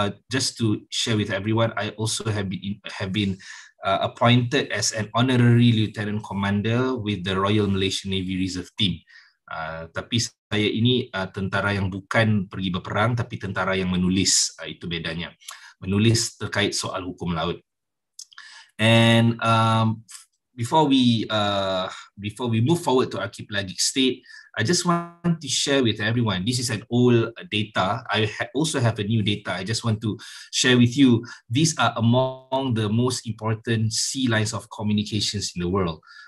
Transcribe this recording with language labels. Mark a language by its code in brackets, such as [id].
[en] Just to share with everyone, I also have been appointed as an honorary lieutenant commander with the Royal Malaysian Navy Reserve Team. [id] Tapi saya ini tentara yang bukan pergi berperang, tapi tentara yang menulis. Itu bedanya. Menulis terkait soal hukum laut. [en] And before we move forward to archipelagic state, I just want to share with everyone, this is an old data. I also have a new data. I just want to share with you, these are among the most important sea lines of communications in the world.